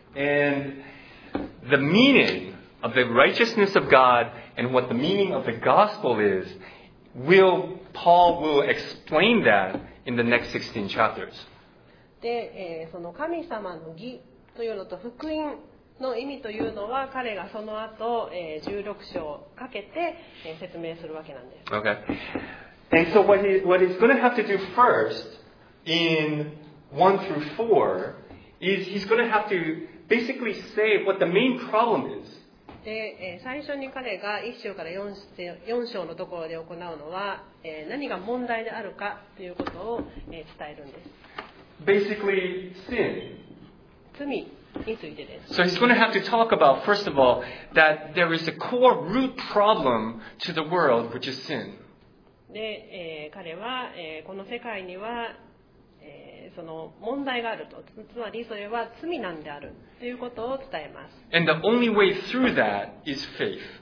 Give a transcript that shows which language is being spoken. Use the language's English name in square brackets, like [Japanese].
[English] And the meaning of the righteousness of God and what the meaning of the gospel is, Paul will explain that in the next 16 chapters. [Japanese] で、その神様の義というのと福音の意味というのは彼がその後、16章かけて、説明するわけなんです。 [English] Okay. And so what he's going to have to do first in 1 through 4 is he's going to have to basically say what the main problem is. [Japanese] で、最初に彼が1章から4章のところで行うのは、何が問題であるかということを、伝えるんです。 [English] Basically, sin. [Japanese] 罪についてです。 [English] So he's going to have to talk about, first of all, that there is a core root problem to the world, which is sin. [Japanese] で、彼は、この世界には、その問題があると。つまりそれは罪なんであるということを伝えます。 [English] And the only way through that is faith.